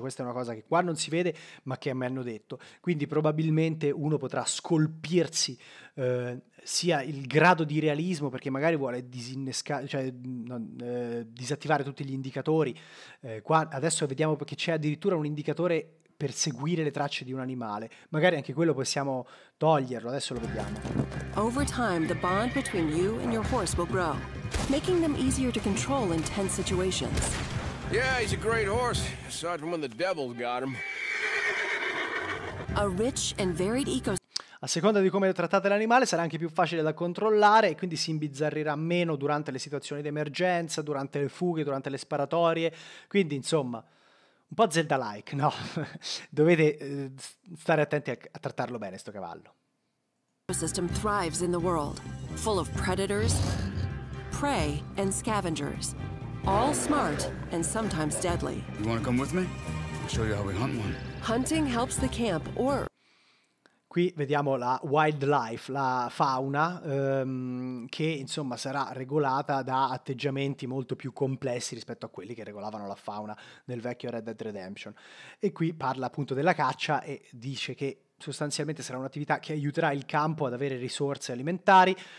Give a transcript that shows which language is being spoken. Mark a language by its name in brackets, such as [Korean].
[Italian] Questa è una cosa che qua non si vede, ma che mi hanno detto. Quindi probabilmente uno potrà scolpirsi sia il grado di realismo, perché magari vuole disattivare tutti gli indicatori. Qua adesso vediamo che c'è addirittura un indicatore per seguire le tracce di un animale. Magari anche quello possiamo toglierlo, adesso lo vediamo. [English] Over time, the bond between you and your horse will grow, making them easier to control in tense situations. Yeah, he's a great horse, aside from when the devil's got him. A rich and varied ecosystem. [Italian] A seconda di come trattate l'animale sarà anche più facile da controllare e quindi si imbizzarrirà meno durante le situazioni di emergenza, durante le fughe, durante le sparatorie. Quindi, insomma, un po' Zelda-like, no? Dovete stare attenti a trattarlo bene, sto cavallo. [English] System thrives in the world, full of predators, prey and scavengers, all smart and sometimes deadly. You want to come with me? I'll show you how we hunt one. Hunting helps the camp or... [Italian] Qui vediamo la wildlife, la fauna, che insomma sarà regolata da atteggiamenti molto più complessi rispetto a quelli che regolavano la fauna nel vecchio Red Dead Redemption. E qui parla appunto della caccia e dice che sostanzialmente sarà un'attività che aiuterà il campo ad avere risorse alimentari.